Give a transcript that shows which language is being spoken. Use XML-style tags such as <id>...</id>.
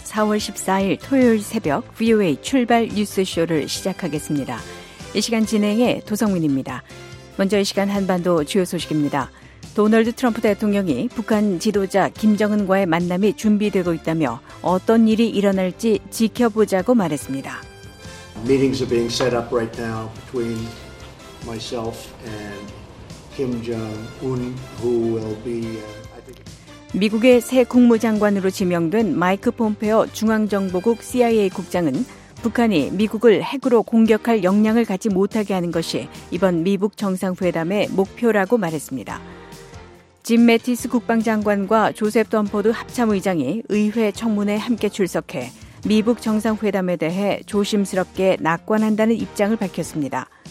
<ko>4월 14일 토요일 새벽 VOA 출발 뉴스쇼를 시작하겠습니다. 이 시간 진행해 도성민입니다. 먼저 이 시간 한반도 주요 소식입니다. 도널드 트럼프 대통령이 북한 지도자 김정은과의 만남이 준비되고 있다며 어떤 일이 일어날지 지켜보자고 말했습니다.</ko> <en>Meetings are being set up right now between myself and Kim Jong-un, who will be...</en> <ko>미국의 새 국무장관으로 지명된 마이크 폼페어 중앙정보국 CIA 국장은 북한이 미국을 핵으로 공격할 역량을 갖지 못하게 하는 것이 이번 미북 정상회담의 목표라고 말했습니다. 짐 매티스 국방장관과 조셉 덤포드 합참의장이 의회 청문회에 함께 출석해 미북 정상회담에 대해 조심스럽게 낙관한다는 입장을 밝혔습니다.</ko>